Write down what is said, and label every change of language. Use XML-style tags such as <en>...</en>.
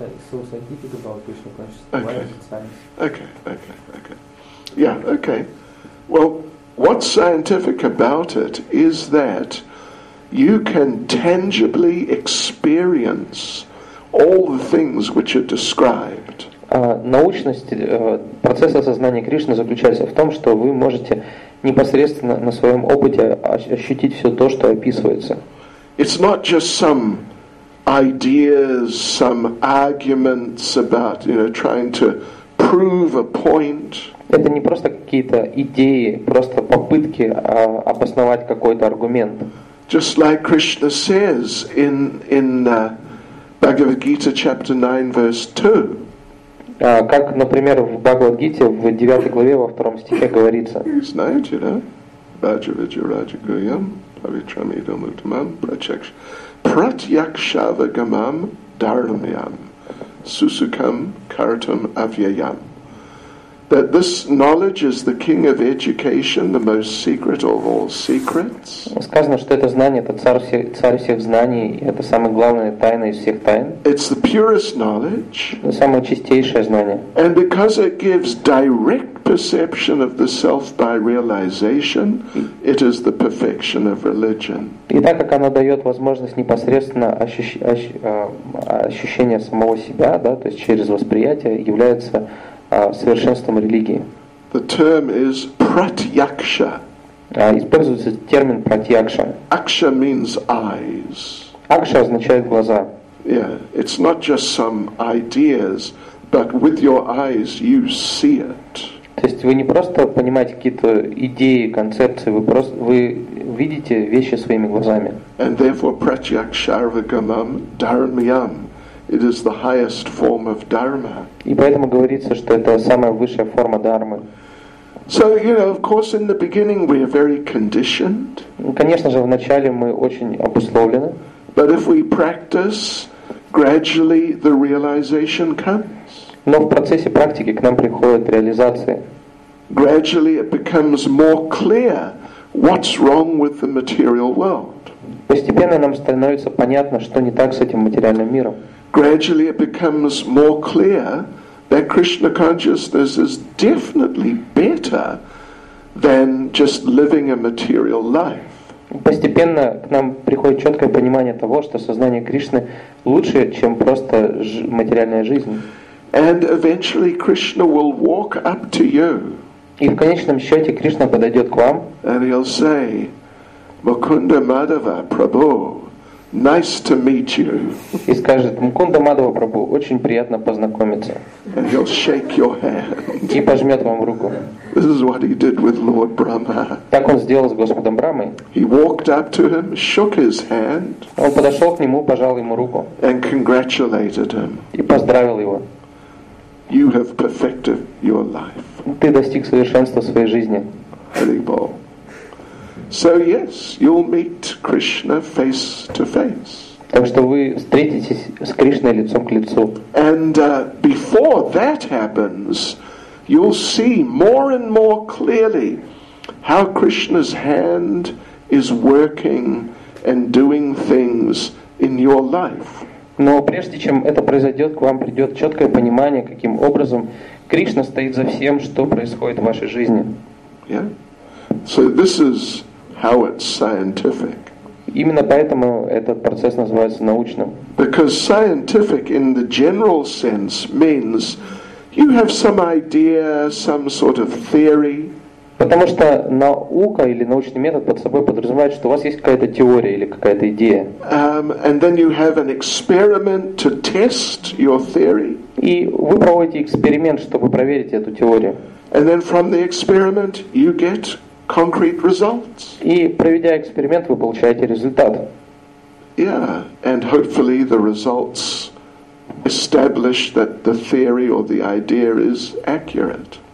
<en>So what is it so scientific about Krishna consciousness? Okay. Why is it science? Okay. Well, what's scientific about it is that you can tangibly experience all the things which are described.</en> <ru>Научность процесса сознания Кришны заключается в том, что вы можете непосредственно на своем опыте ощутить все то, что описывается.</ru> <en>It's not just some ideas, some arguments about, you know, trying to prove a point.</en> <ru>Это не просто какие-то идеи, просто попытки обосновать какой-то аргумент.</ru> <en>Just like Krishna says in Bhagavad Gita chapter 9 verse 2.</en> <ru>Как, например, в Бхагавад-гите, в 9 главе, во 2 стихе говорится. Знаете, да?</ru> <sa>Раджа-виджа-раджа-гуйям, павитрам-идам-утамам, пратьякшава-гамам, дармьям, сусукам, картам, авьяям.</sa> <en>That this knowledge is the king of education, the most secret of all secrets.</en> <ru>Сказано, что это знание, это царь всех знаний, и это самая главная тайна из всех тайн.</ru> <en>It's the purest knowledge.</en> <ru>Это самое чистейшее знание.</ru> <en>And because it gives direct perception of the self by realization, it is the perfection of religion.</en> <ru>И так как оно дает возможность непосредственно ощущения самого себя, да, то есть через восприятие, является совершенством религии.</ru> <en>The term is pratyaksha.</en> <ru>Используется термин pratyaksha.</ru> <en>Aksha means eyes.</en> <ru>Aksha означает глаза.</ru> <en>Yeah, it's not just some ideas, but with your eyes you see it.</en> <ru>То есть вы не просто понимаете какие-то идеи, концепции, вы видите вещи своими глазами.</ru> <en>And therefore</en> <sa>pratyaksharvagamam dharmyam.</sa> <en>It is the highest form of dharma.</en> <ru>И поэтому говорится, что это самая высшая форма дхармы.</ru> <en>So, you know, of course, in the beginning we are very conditioned.</en> <ru>Конечно же, вначале мы очень обусловлены.</ru> <en>But if we practice, gradually the realization comes.</en> <ru>Но в процессе практики к нам приходит реализация.</ru> <en>Gradually it becomes more clear what's wrong with the material world.</en> <ru>Постепенно нам становится понятно, что не так с этим материальным миром.</ru> <en>Gradually it becomes more clear that Krishna consciousness is definitely better than just living a material life.</en> <ru>Постепенно к нам приходит четкое понимание того, что сознание Кришны лучше, чем просто материальная жизнь.</ru> <en>And eventually Krishna will walk up to you.</en> <ru>И в конечном счете Кришна подойдет к вам.</ru> <en>And he'll say, Mukunda Madhava Prabhu, nice to meet you.</en> <ru>И скажет: Мукунда Мадхава Прабху, очень приятно познакомиться.</ru> <en>And he'll shake your hand.</en> <ru>И пожмет вам руку.</ru> <en>This is what he did with Lord Brahma.</en> <ru>Так он сделал с Господом Брахмой.</ru> <en>He walked up to him, shook his hand.</en> <ru>Он подошел к нему, пожал ему руку.</ru> <en>And congratulated him.</en> <ru>И поздравил его.</ru> <en>You have perfected your life.</en> <ru>Ты достиг совершенства своей жизни.</ru> <en>So yes, you'll meet Krishna face to face.</en> <ru>Так что вы встретитесь с Кришной лицом к лицу.</ru> <en>And before that happens, you'll see more and more clearly how Krishna's hand is working and doing things in your life.</en> <ru>Но прежде чем это произойдет, к вам придет четкое понимание, каким образом Кришна стоит за всем, что происходит в вашей жизни.</ru> <en>Yeah. So this is how it's scientific.</en> <ru>Именно поэтому этот процесс называется научным.</ru> <en>Because scientific in the general sense means you have some idea, some sort of theory.</en> <ru>Потому что наука или научный метод под собой подразумевает, что у вас есть какая-то теория или какая-то идея.</ru> <en>And then you have an experiment to test your theory.</en> <ru>И вы проводите эксперимент, чтобы проверить эту теорию.</ru> <en>And then from the experiment you get concrete results.</en> <ru>И проведя эксперимент, вы получаете результат.</ru> <en>Yeah, and hopefully the results establish that the theory or the idea is accurate.</en>